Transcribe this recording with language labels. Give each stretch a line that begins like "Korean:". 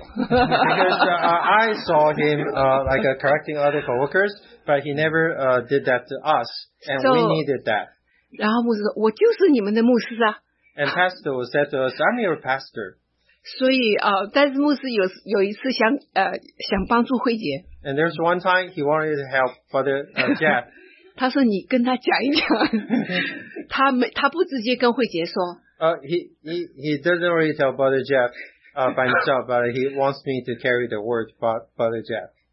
English: Because I saw him like correcting other coworkers, but he never did that to us, and so, we needed that.
Chinese: 然后牧师说，我就是你们的牧师啊。
English: And pastor said to us, I'm your pastor.
Chinese: 所以但是牧师有一次想想帮助慧姐。
English: And there's one time he wanted to help Father Jeff.
Chinese: 他说你跟他讲一讲。他不直接跟慧杰说。
English: He doesn't really tell Brother Jeff by himself, but he wants me to carry the word for Brother Jeff.